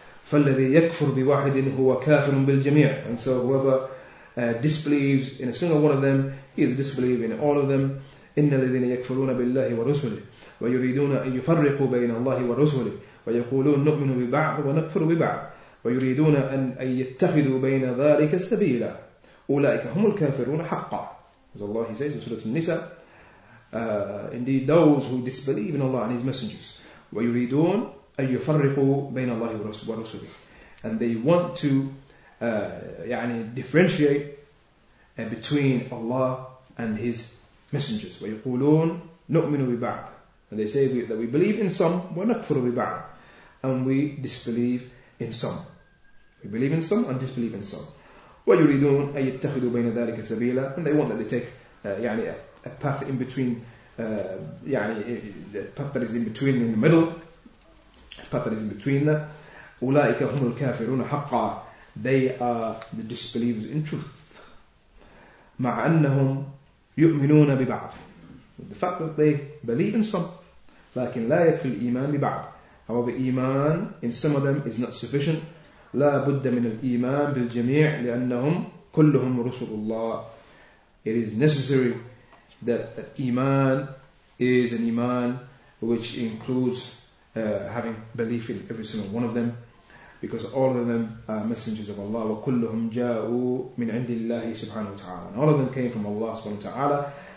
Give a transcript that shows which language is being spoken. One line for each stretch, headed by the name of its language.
Arabic: فَالَّذِي يَكْفُرْ بِوَاحِدٍ هُوَ كَافِرٌ بِالْجَمِيعِ.
English: And so whoever disbelieves in a single one of them, he is a disbeliever in all of them.
Arabic: إن الذين يكفرون بالله ورسله ويريدون أن يفرقوا بين الله ورسله ويقولون نؤمن ببعض ونكفر ببعض ويريدون أن يتخذوا بين ذلك سبيلا أولئك هم الكافرون حقا.
English: As Allah says in Surah An-Nisa, indeed those who disbelieve in Allah and His messengers,
Arabic: ويريدون أن يفرقوا بين الله ورسله,
English: and they want to يعني differentiate between Allah and His messengers.
Arabic: ويقولون نؤمن ببعض,
English: and they say that we believe in some,
Arabic: ونكفر ببعض,
English: and we disbelieve in some. We believe in some and disbelieve in some.
Arabic: ويريدون أن يتخذوا بين ذلك سبيلا,
English: and they want that they take يعني a path in between, يعني the path that is in between, in the middle, the path that is in between.
Arabic: أولئك هم الكافرون حقا,
English: they are the disbelievers in truth.
Arabic: مع أنهم يؤمنون ببعض,
English: the fact that they believe in some,
Arabic: لكن لا يكفي الإيمان ببعض,
English: however إيمان in some of them is not sufficient.
Arabic: لا بد من الإيمان بالجميع لأنهم كلهم رسل الله.
English: It is necessary that إيمان is an إيمان which includes having belief in every single one of them, because all of them are messengers of Allah.
Arabic: وكلهم جاءوا من عند الله سبحانه وتعالى,
English: and all of them came from Allah سبحانه وتعالى.